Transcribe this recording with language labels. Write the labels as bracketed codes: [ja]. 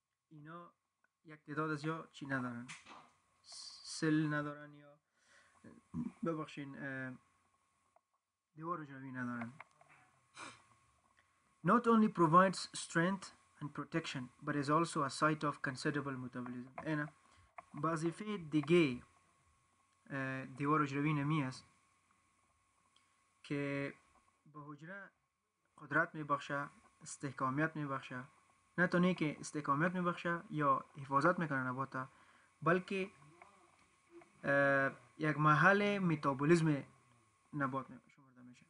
[fa] اینا یک تعداد از یا چی ندارن، سل ندارن یا ببخشین دیوار حجروی ندارن. [en] Not only provides strength and protection but is also a site of considerable metabolism. [fa] اینا وظیفه دیگه دیوار حجروی نمی است که به حجره قدرت می بخشه، استحکامیت می بخشه، نه تنها که استحکامیت می بخشه یا حفاظت میکنه نباتا، بلکه یک محل میتابولیزم نبات می شمرده میشه.